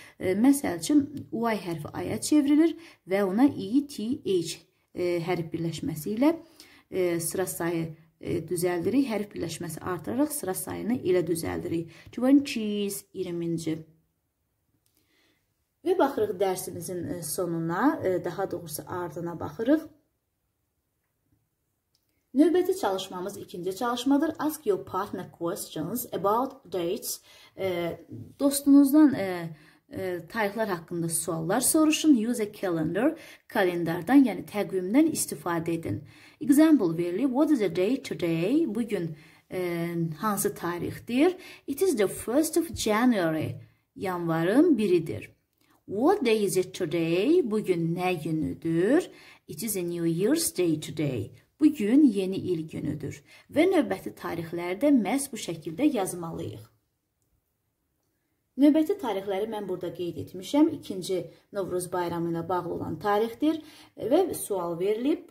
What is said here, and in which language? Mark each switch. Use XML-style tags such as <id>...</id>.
<az>Məsəl üçün, U hərfi I-ya çevrilir və ona ETH hərf birləşməsi ilə sıra sayı düzəldirik. Hərf birləşməsi artıraraq sıra sayını ilə düzəldirik. 20-ci. Və baxırıq dərsimizin sonuna, daha doğrusu ardına baxırıq. Növbəti çalışmamız ikinci çalışmadır.</az> <en>Ask your partner questions about dates.</en> <az>Dostunuzdan tarixlər haqqında suallar soruşun.</az> <en>Use a calendar,</en> <az>kalendardan, yəni təqvimdən istifadə edin. Example verilir.</az> <en>What is the date today?</en> <az>Bugün hansı tarixdir?</az> <en>It is the 1st of January.</en> <az>Yanvarın biridir.</az> <en>What day is it today?</en> <az>Bugün nə günüdür?</az> <en>It is a New Year's Day today.</en> <az>Bugün yeni il günüdür və növbəti tarixlərdə məhz bu şəkildə yazmalıyıq. Növbəti tarixləri mən burada qeyd etmişəm. İkinci Novruz bayramı ilə bağlı olan tarixdir və sual verilib.</az>